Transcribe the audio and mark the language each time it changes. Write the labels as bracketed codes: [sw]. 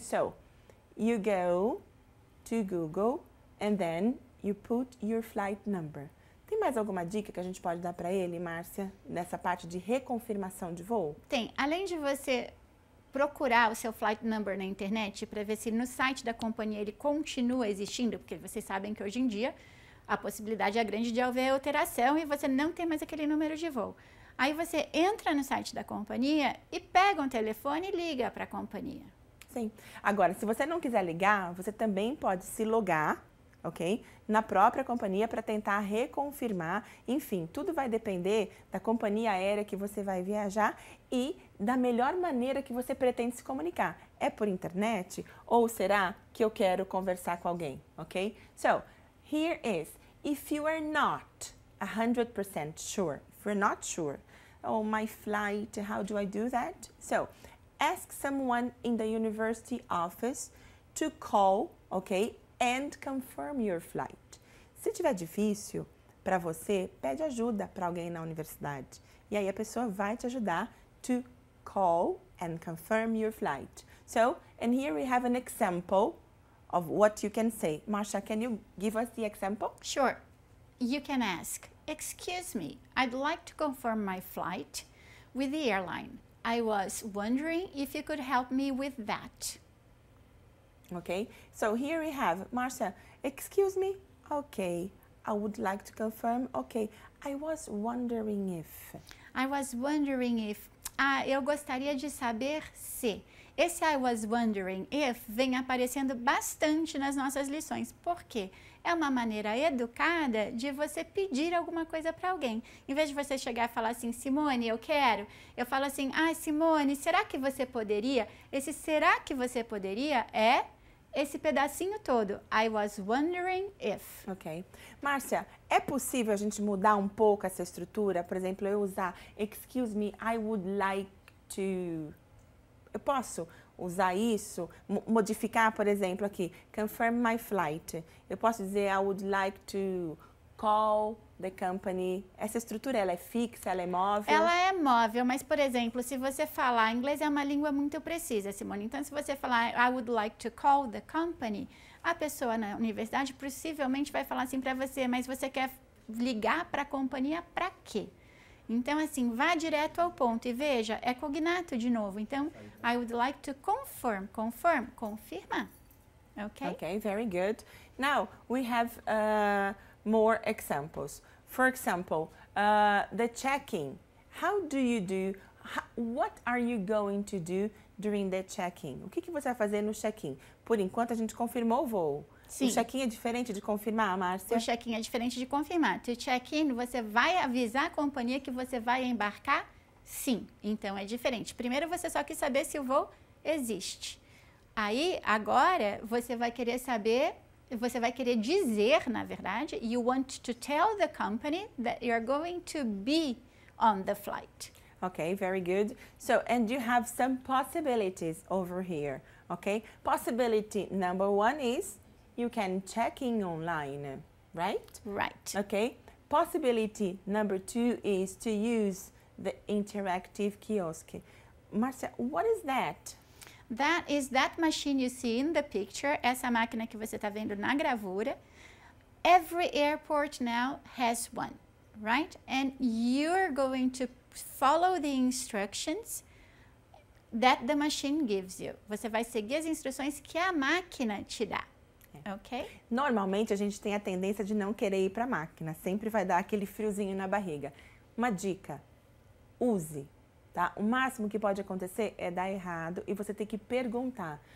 [en] So, you go to Google and then you put your flight number. [pt] Tem mais alguma dica que a gente pode dar para ele, Márcia, nessa parte de reconfirmação de voo? Tem. Além de você procurar o seu flight number na internet para ver se no site da companhia ele continua existindo, porque vocês sabem que hoje em dia a possibilidade é grande de haver alteração e você não tem mais aquele número de voo. Aí você entra no site da companhia e pega um telefone e liga para a companhia. Sim. Agora, se você não quiser ligar, você também pode se logar, ok? Na própria companhia para tentar reconfirmar. Enfim, tudo vai depender da companhia aérea que você vai viajar e da melhor maneira que você pretende se comunicar. É por internet ou será que eu quero conversar com alguém, ok? [en] So, here is, if you are not 100% sure, if you're not sure, oh, my flight, how do I do that? So, ask someone in the university office to call, okay, and confirm your flight. [pt] Se tiver difícil para você, pede ajuda para alguém na universidade. E aí a pessoa vai te ajudar [en] to call and confirm your flight. So, and here we have an example of what you can say. Marcia, can you give us the example? Sure. You can ask, excuse me, I'd like to confirm my flight with the airline. I was wondering if you could help me with that. Okay, so here we have, Marcia, excuse me, okay, I would like to confirm, okay, I was wondering if. I was wondering if, [pt] eu gostaria de saber se. Esse [en] I was wondering if [pt] vem aparecendo bastante nas nossas lições. Por quê? É uma maneira educada de você pedir alguma coisa para alguém. Em vez de você chegar e falar assim, Simone, eu quero. Eu falo assim, ah, Simone, será que você poderia? Esse será que você poderia é esse pedacinho todo. [en] I was wondering if. Ok. [pt] Márcia, é possível a gente mudar um pouco essa estrutura? Por exemplo, eu usar, [en] excuse me, I would like to... [pt] Eu posso usar isso, modificar, por exemplo, aqui, [en] confirm my flight. [pt] Eu posso dizer, [en] I would like to call the company. [pt] Essa estrutura, ela é fixa, ela é móvel? Ela é móvel, mas, por exemplo, se você falar, inglês é uma língua muito precisa, Simone. Então, se você falar, [en] I would like to call the company, [pt] a pessoa na universidade, possivelmente, vai falar assim para você, mas você quer ligar para a companhia para quê? Então, assim, vá direto ao ponto e veja, é cognato de novo. [en] Então, I would like to confirm, confirm, confirma. Okay? Okay, very good. Now, we have more examples. For example, the check-in. How do you do, what are you going to do during the check-in? [pt] O que, que você vai fazer no check-in? Por enquanto, a gente confirmou o voo. Sim. O check-in é diferente de confirmar, Márcia? O check-in é diferente de confirmar. [en] To check-in, [pt] você vai avisar a companhia que você vai embarcar? Sim. Então, é diferente. Primeiro, você só quis saber se o voo existe. Aí, agora, você vai querer saber, você vai querer dizer, na verdade, [en] you want to tell the company that you're going to be on the flight. Okay, very good. So, and you have some possibilities over here, okay? Possibility number one is... You can check in online, right? Right. Okay. Possibility number two is to use the interactive kiosk. Marcia, what is that? That is that machine you see in the picture, [pt] essa máquina que você está vendo na gravura. [en] Every airport now has one, right? And you're going to follow the instructions that the machine gives you. [pt] Você vai seguir as instruções que a máquina te dá. Ok. Normalmente a gente tem a tendência de não querer ir para a máquina, sempre vai dar aquele friozinho na barriga. Uma dica, use, tá? O máximo que pode acontecer é dar errado e você ter que perguntar.